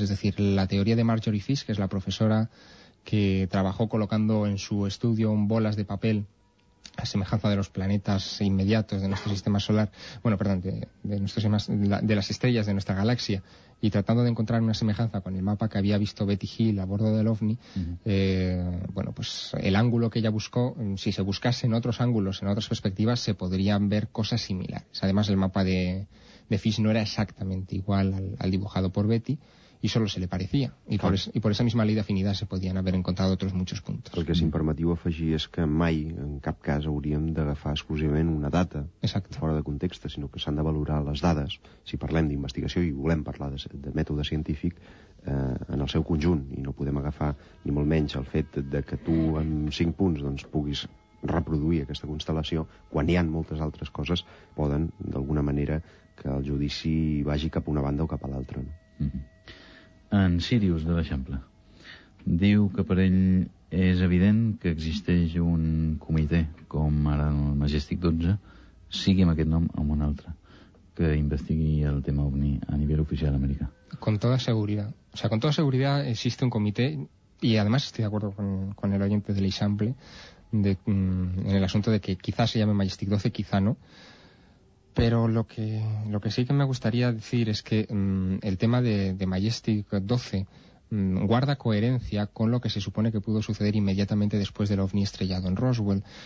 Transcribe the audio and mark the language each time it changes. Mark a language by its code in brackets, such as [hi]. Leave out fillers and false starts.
[es] Es decir, la teoría de Marjorie Fish, que es la profesora que trabajó colocando en su estudio bolas de papel a semejanza de los planetas inmediatos de nuestro sistema solar, bueno, perdón, de las estrellas de nuestra galaxia, y tratando de encontrar una semejanza con el mapa que había visto Betty Hill a bordo del OVNI, bueno, pues el ángulo que ella buscó, si se buscase en otros ángulos, en otras perspectivas, se podrían ver cosas similares. Además, el mapa de Fish no era exactamente igual al dibujado por Betty, y solo se le parecía. Y, claro. Y por esa misma ley de afinidad se podían haber encontrado otros muchos puntos. [ca] El que, si em permetiu afegir, és que mai, en cap cas, hauríem d'agafar exclusivament una data fora de context, sinó que s'han de valorar les dades, si parlem d'investigació i volem parlar de mètode científic, en el seu conjunt, i no podem agafar ni molt menys el fet de que tu, en 5 punts, doncs, puguis reproduir aquesta constel·lació, quan hi ha moltes altres coses, poden, d'alguna manera, que el judici vagi cap a una banda o cap a l'altra. No? En Sirius, de l'Eixample, diu que per ell és evident que existeix un comitè, com ara el Majestic 12, sigui amb aquest nom o amb un altre, que investigui el tema OVNI a nivell oficial americà. [es] Con toda seguridad. O sea, con toda seguridad existe un comitè, y además estoy de acuerdo con el oyente de l'Eixample, en el asunto de que quizás se llame Majestic 12, quizá no. Pero lo que sí que me gustaría decir es que el tema de Majestic 12 guarda coherencia con lo que se supone que pudo suceder inmediatamente después del OVNI estrellado en Roswell.